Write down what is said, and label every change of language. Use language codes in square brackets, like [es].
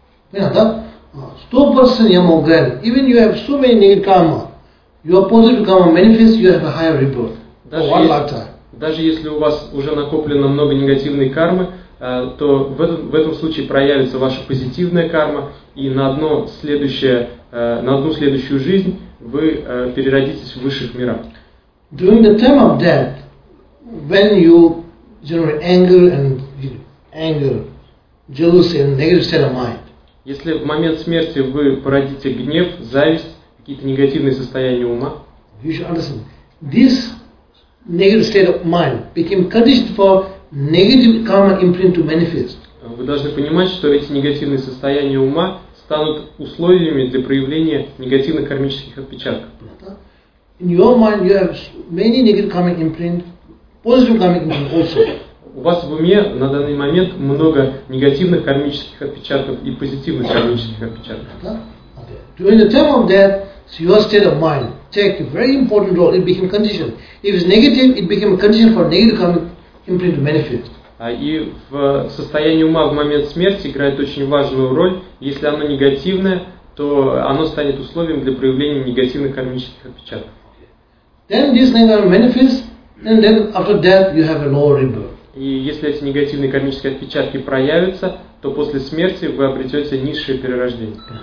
[ru] Понятно, да? 100% я могу говорить, [en] even you have so many negative karma, your positive karma manifests, you have a higher rebirth. [ru] Даже если у вас уже накоплено много негативной кармы, то в этом случае проявится ваша позитивная карма, и на одну следующую жизнь вы переродитесь в высших мирах. [en] During the time of death, when you generate anger, jealousy and negative state of mind, [ru] если в момент смерти вы породите гнев, зависть, какие-то негативные состояния ума, [en] you should understand, this negative state of mind became conditioned for negative karma imprint to manifest. [ru] Вы должны понимать, что эти негативные состояния ума станут условиями для проявления негативных кармических отпечатков. [en] In your mind you have many negative karma imprint, positive karma imprint also. [ru] У вас в уме на данный момент много негативных кармических отпечатков и позитивных кармических отпечатков. [en] During the time of death, your state of mind takes a very important role. It became conditioned. If it's negative, it became a condition for negative karmic imprint to manifest. [ru] И в состоянии ума в момент смерти играет очень важную роль. Если оно негативное, то оно станет условием для проявления негативных кармических отпечатков. Then this negative manifests, and then after death you have a lower rebirth. И если эти негативные кармические отпечатки проявятся, то после смерти вы обретете низшее перерождение.